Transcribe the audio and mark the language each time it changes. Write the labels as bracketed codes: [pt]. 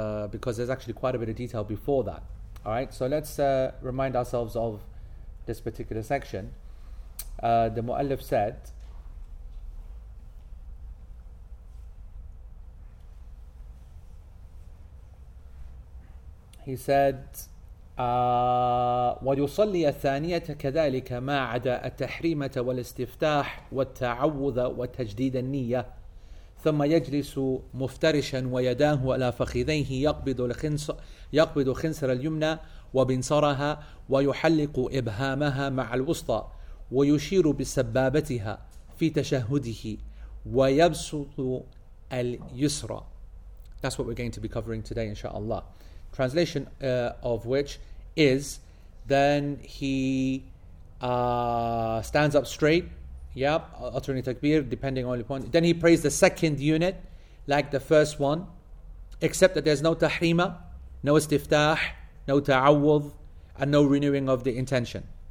[en] Because there's actually quite a bit of detail before that. All right, so let's remind ourselves of this particular section. The Mu'allif said, he said, [ar] وَيُصَلِّي الثَّانِيَةَ كَذَلِكَ مَا عَدَى التَّحْرِيمَةَ وَالِاسْتِفْتَاحَ وَالتَّعَوُّذَ وَالتَّجْدِيدَ النِّيَّةَ ثم يجلس مفترشا ويداه على فخذيه يقبض خنصر اليمنى وبنصرها ويحلق إبهامها مع الوسطى ويشير بسبابتها في تشهده ويبسط اليسرى. [en] That's what we're going to be covering today, inshallah. Translation of which is, then he stands up straight. Yep, uttering takbir, depending on the point. Then he prays the second unit, like the first one, except that there's no tahrima, no istiftah, no ta'awud, and no renewing of the intention.